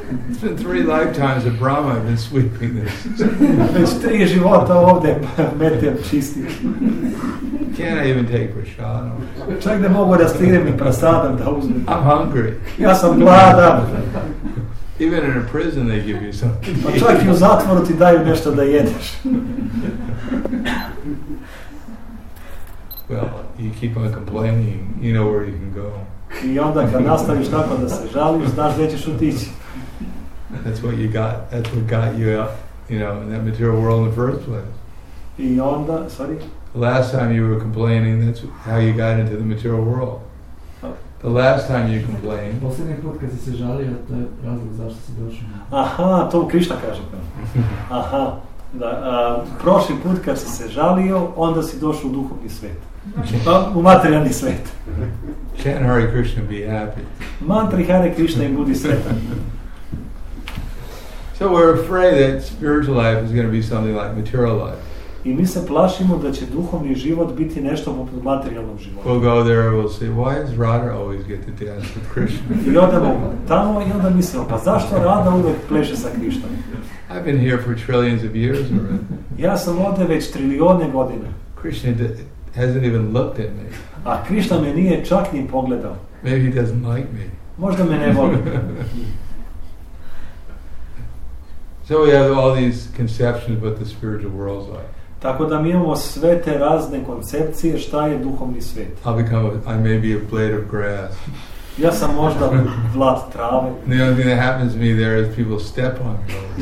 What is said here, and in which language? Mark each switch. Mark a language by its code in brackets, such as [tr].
[en] It's been three lifetimes of Brahma I've been sweeping this. [sr] Već tri života ovde metem čistim. [en] Can't I even take prasadam? [sr] Čak ne mogu da stignem I prasadam da uzmem. [en] I'm hungry. [sr] Ja sam gladan. [en] Even in a prison they give you something. [sr] Čak I u zatvoru ti daju nešto da jedeš. [en] Well, you keep on complaining, you know where you can go. [sr] I onda kad nastaviš tako da se žališ, znaš gdje ćeš otići. [en] That's what you got. That's what got you out, you know, in that material world in the first place. [sr] I onda, sorry? [en] Last time you were complaining, that's how you got into the material world. The last time you complained. [sr] Posljednji put kad si se žalio, to je razlog zašto si došao. Aha, to Krišna kaže. Aha. Da, prošli put kad si se žalio, onda si došao u duhovni svet. U materijalni svet. [en] Chant Hare Krishna, be happy. [sr] Mantri Hare Krishna I budi sretan. [en] So we're afraid that spiritual life is going to be something like material life. [sr] I mi se plašimo da će duhovni život biti nešto poput materijalnog života. [en] We'll go there and we'll say, why does Radha always get to dance with Krishna? [sr] I odemo tamo I onda mislimo, pa zašto Radha uvek pleše sa Krishnom? [en] I've been here for trillions of years already. [sr] Ja sam ovde već trilione godine. [en] Krishna hasn't even looked at me. [sr] A Krishna me nije čak ni pogledao. [en] Maybe he doesn't like me. [sr] Možda me ne voli. [en] So we have all these conceptions about the spiritual world like. [sr] Tako da mi imamo sve te razne koncepcije šta je duhovni svet. [en] I may be a blade of grass. [sr] Ja sam možda vlad trave. [en] The only thing that happens to me there is people step on me.